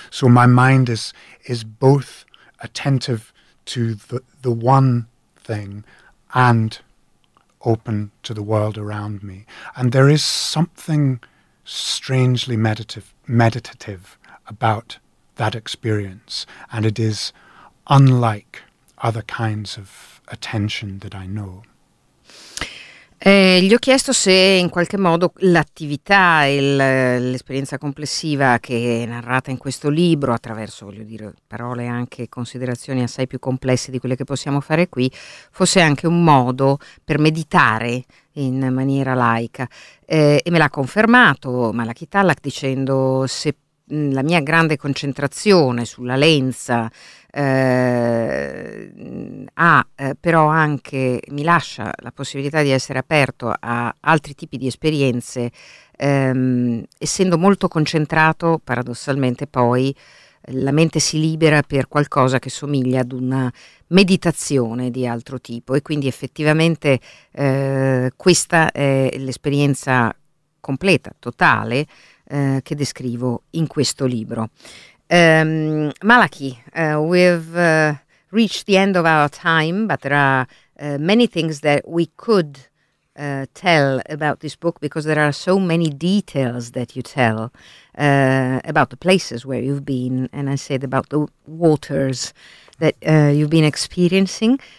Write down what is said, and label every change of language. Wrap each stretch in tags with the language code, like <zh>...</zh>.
<en>So my mind is both attentive to the one thing and open to the world around me. And there is something strangely meditative about that experience, and it is unlike other kinds of attention that I know.</en> <it>Gli ho chiesto se in qualche modo l'attività e l'esperienza complessiva che è narrata in questo libro, attraverso, voglio dire, parole e anche considerazioni assai più complesse di quelle che possiamo fare qui, fosse anche un modo per meditare in maniera laica. E me l'ha confermato Malachy Tallack dicendo: se la mia grande concentrazione sulla lenza però anche mi lascia la possibilità di essere aperto a altri tipi di esperienze, essendo molto concentrato paradossalmente poi la mente si libera per qualcosa che somiglia ad una meditazione di altro tipo, e quindi effettivamente questa è l'esperienza completa, totale, che descrivo in questo libro.</it> <en>Malachi, we've reached the end of our time, but there are many things that we could tell about this book, because there are so many details that you tell about the places where you've been, and I said about the waters that you've been experiencing.</en>